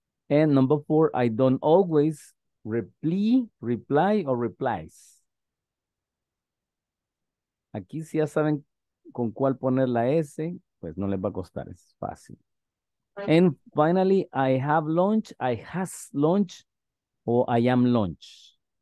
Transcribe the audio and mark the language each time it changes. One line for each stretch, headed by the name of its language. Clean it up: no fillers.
English: And number 4, I don't always reply or replies.
Spanish: Aquí si ya saben con cuál poner la S, pues no les va a costar, es fácil.
English: And finally, I has lunch, or I am lunch.